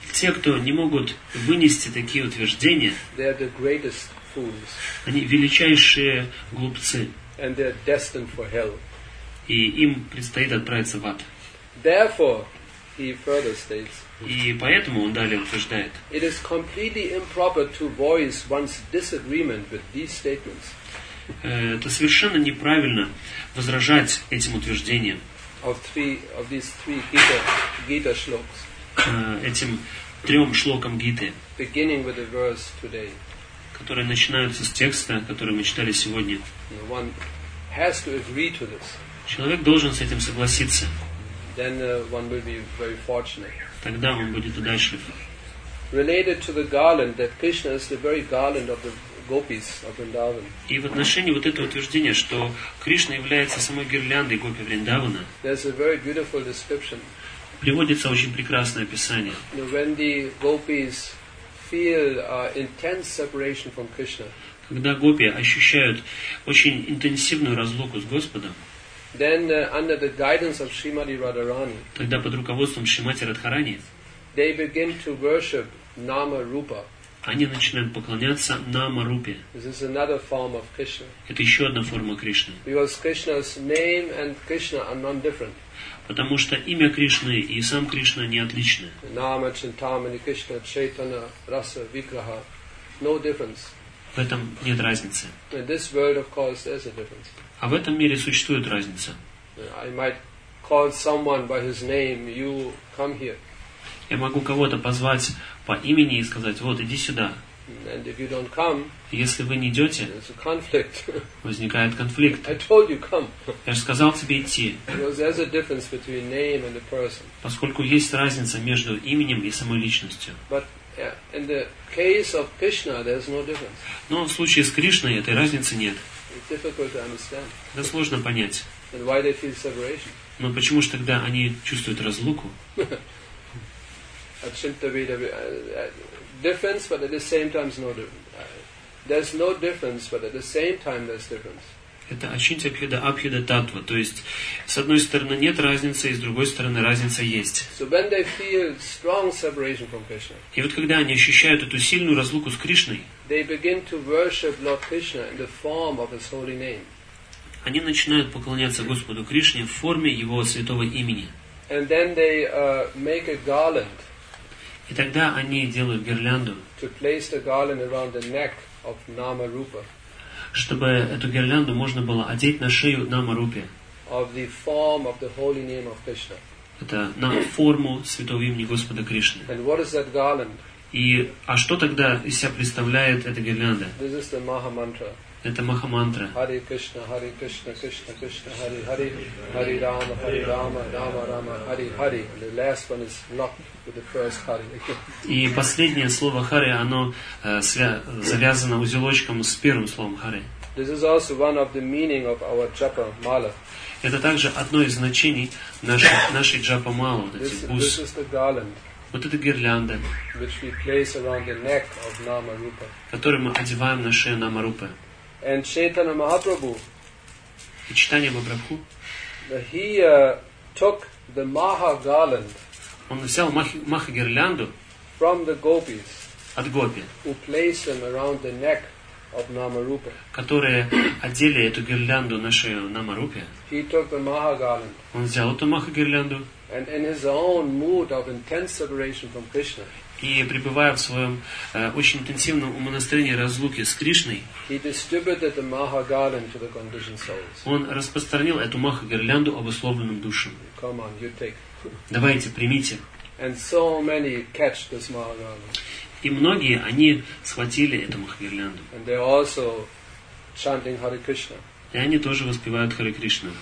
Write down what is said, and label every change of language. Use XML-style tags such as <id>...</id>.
<ru>Те, кто не могут вынести такие утверждения.</ru> <en>They are the greatest fools.</en> <ru>Они величайшие глупцы.</ru> <en>And they are destined for hell.</en> <ru>И им предстоит отправиться в ад.</ru> <en>Therefore, he further states,</en> <ru>и поэтому он далее утверждает.</ru> <en>It is completely improper to voice one's disagreement with these statements.</en> <ru>Это совершенно неправильно возражать этим утверждениям.</ru> <en>Of these three Gita shlokas.</en> <ru>Этим трем шлокам Гиты.</ru> <en>Beginning with the verse today.</en> <ru>Которые начинаются с текста, который мы читали сегодня.</ru> <en>One has to agree to this.</en> <ru>Человек должен с этим согласиться.</ru> <en>Then one will be very fortunate.</en> <ru>Тогда он будет удачлив.</ru> <en>Related to the garland that Krishna is the very garland of the gopis of Vrindavan.</en> <ru>И в отношении вот этого утверждения, что Кришна является самой гирляндой гопи Вриндавана.</ru> <en>There's a very beautiful description.</en> <ru>Приводится очень прекрасное описание.</ru> <en>When the gopis feel intense separation from Krishna.</en> <ru>Когда гопи ощущают очень интенсивную разлуку с Господом.</ru> <en>Then under the guidance of Srimati Radharani.</en> <ru>Тогда под руководством Шримати Радхарани.</ru> <en>They begin to worship Nama Rupa.</en> <ru>Они начинают поклоняться Нама Рупе.</ru> <en>This is another form of Krishna.</en> <ru>Это еще одна форма Кришны.</ru> <en>Because Krishna's name and Krishna are non-different.</en> <ru>Потому что имя Кришны и сам Кришна не отличны.</ru> <sa>Nama Chintamani Krishna Chaitana Rasa Vigraha.</sa> <en>No difference.</en> <ru>В этом нет разницы.</ru> <en>In this world, of course, there's a difference.</en> <ru>А в этом мире существует разница.</ru> <en>I might call someone by his name, you come here.</en> <ru>Я могу кого-то позвать по имени и сказать: вот, иди сюда.</ru> <en>And if you don't come,</en> <ru>если вы не идете,</ru> <en>there's a conflict.</en> <ru>Возникает конфликт.</ru> <en>I told you come.</en> <ru>Я же сказал тебе идти.</ru> <en>Because there's a difference between name and the person.</en> <ru>Поскольку есть разница между именем и самой личностью.</ru> <en>But in the case of Krishna, there's no difference.</en> <ru>Но в случае с Кришной этой разницы нет.</ru> <en>It's difficult to understand.</en> <ru>Это сложно понять.</ru> <en>And why they feel separation?</en> <ru>Но почему же тогда они чувствуют разлуку?</ru> <en>Difference, but at the same time no difference. There's no difference, but at the same time there's difference.</en> <ru>Это ачинтья-бхеда абхеда-таттва, то есть с одной стороны нет разницы, и с другой стороны разница есть.</ru> <en>So when they feel strong separation from Krishna.</en> <ru>И вот когда они ощущают эту сильную разлуку с Кришной.</ru> <en>They begin to worship Lord Krishna in the form of His holy name.</en> <ru>Они начинают поклоняться Господу Кришне в форме Его святого имени.</ru> <en>And then they make a garland.</en> <ru>И тогда они делают гирлянду,</ru> <en>to place the garland around the neck of Nama Rupa,</en> <ru>чтобы эту гирлянду можно было одеть на шею Нама Рупе.</ru> <en>Of the form of the holy name of Krishna.</en> <ru>Это на форму святого имени Господа Кришны.</ru> <en>And what is that garland?</en> <ru>И, а что тогда из себя представляет эта гирлянда?</ru> <en>This is the Mahamantra.</en> <ru>Это Махамантра.</ru> <sa>Hare Krishna, Hare Krishna, Krishna Krishna, Hare Hare, Hare Rama, Hare Rama, Rama Rama, Hare Hare.</sa> <en>And the last one is locked with the first Hare.</en> <ru>И последнее слово Hare, оно завязано узелочком с первым словом Hare.</ru> <en>This is also one of the meaning of our Japa Mala.</en> <ru>Это также одно из значений нашей Джапа Мала, вот этих бус.</ru> <en>This is the garland.</en> <ru>Вот это гирлянда,</ru> <en>which we place around the neck of Nama Rupa,</en> <ru>которую мы одеваем на шею Нама Рупы.</ru> <en>And Chaitanya Mahaprabhu,</en> <ru>и Чайтанья Махапрабху,</ru> <en>he took the Maha garland,</en> <ru>он взял Маха гирлянду</ru> <en>from the gopis,</en> <ru>от гопи,</ru> <en>who placed them around the neck of Nama Rupa,</en> <ru>которые одели эту гирлянду на шею Нама Рупы.</ru> <en>He took the Maha garland,</en> <ru>он взял эту Маха гирлянду.</ru> <en>And in his own mood of intense separation from Krishna,</en> <ru>и пребывая в своем очень интенсивном умонастроении разлуки с Кришной,</ru> <en>he distributed the Maha garland to the conditioned souls.</en> <ru>Он распространил эту Маха гирлянду обусловленным душам.</ru> <en>Come on, you take.</en> <ru>Давайте, примите.</ru> <en>And so many catch this Maha garland.</en> <ru>И многие, они схватили эту Маха гирлянду.</ru> <en>And they're also chanting Hare Krishna.</en> <ru>И они тоже воспевают Харе Кришну.</ru>